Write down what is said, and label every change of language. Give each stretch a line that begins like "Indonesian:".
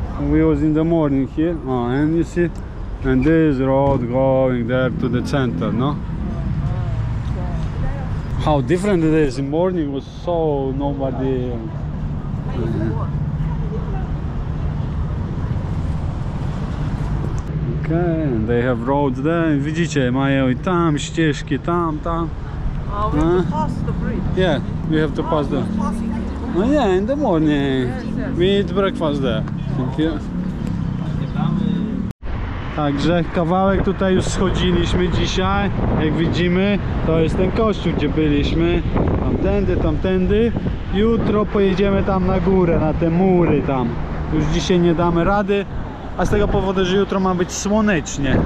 English: We was in the morning here. Oh, and you see, and this road going there to the center, no? How different it is. In morning was so nobody. Okay, and they have roads there.
Polish: Widzicie, mają i tam ścieżki, tam.
English: We have to pass the bridge. Yeah, we have to pass the.
Polish: No nie,
English: in the morning. Yes. We eat breakfast there. Thank you.
Polish: Także kawałek tutaj już schodziliśmy dzisiaj. Jak widzimy, to jest ten kościół, gdzie byliśmy. Tamtędy, tamtędy. Jutro pojedziemy tam na górę, na te mury tam. Już dzisiaj nie damy rady. A z tego powodu, że jutro ma być słonecznie.